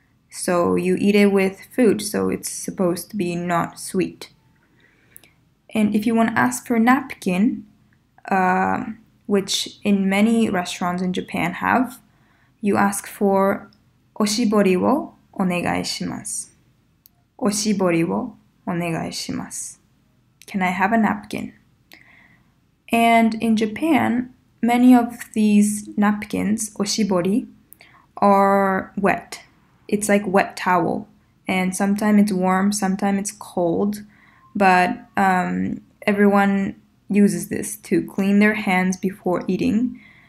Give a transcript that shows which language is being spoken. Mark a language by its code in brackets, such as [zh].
[en] So you eat it with food, so it's supposed to be not sweet. And if you want to ask for a napkin, which in many restaurants in Japan have, you ask for [ja] oshibori wo onegai shimasu. おしぼりをお願いします。 [en] Can I have a napkin? And in Japan, many of these napkins, おしぼり, are wet. It's like wet towel. And sometimes it's warm, sometimes it's cold. But everyone uses this to clean their hands before eating.